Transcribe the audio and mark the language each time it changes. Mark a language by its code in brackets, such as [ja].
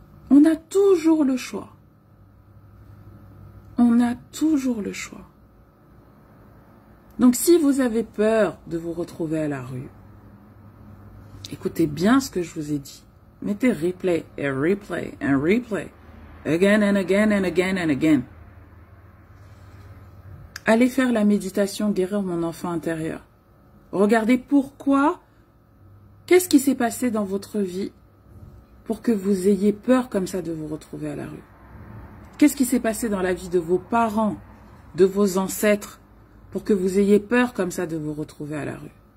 [fr] On a toujours le choix. On a toujours le choix. Donc si vous avez peur de vous retrouver à la rue, écoutez bien ce que je vous ai dit. Mettez replay et replay et replay. [en] Again and again and again and again. [fr] Allez faire la méditation guérir mon enfant intérieur. Regardez pourquoi, qu'est-ce qui s'est passé dans votre vie pour que vous ayez peur comme ça de vous retrouver à la rue. Qu'est-ce qui s'est passé dans la vie de vos parents, de vos ancêtres, pour que vous ayez peur comme ça de vous retrouver à la rue?